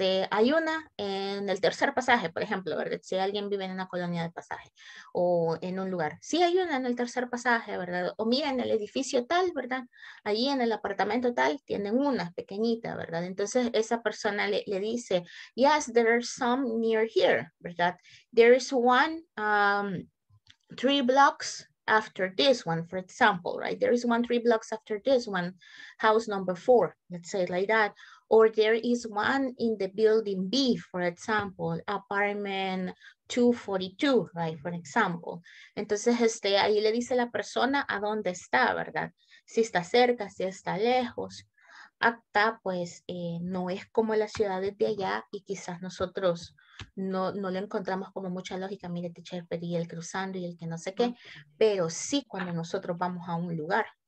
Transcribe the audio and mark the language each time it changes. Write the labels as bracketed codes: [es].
[es] Hay una en el tercer pasaje, por ejemplo, ¿verdad? Si alguien vive en una colonia de pasaje o en un lugar. Sí hay una en el tercer pasaje, ¿verdad? O mira, en el edificio tal, ¿verdad? Allí en el apartamento tal, tienen una pequeñita, ¿verdad? Entonces esa persona le dice, [en] yes, there are some near here, [es] ¿verdad? [en] There is one three blocks after this one, for example, right? There is one three blocks after this one, house number four, let's say it like that. Or there is one in the building B, for example, apartment 242, right, for example. [es] Entonces, ahí le dice la persona a dónde está, ¿verdad? Si está cerca, si está lejos. Acá, pues, no es como las ciudades de allá y quizás nosotros no le encontramos como mucha lógica. Mire, teacher, pedí el cruzando y el que no sé qué. Pero sí cuando nosotros vamos a un lugar.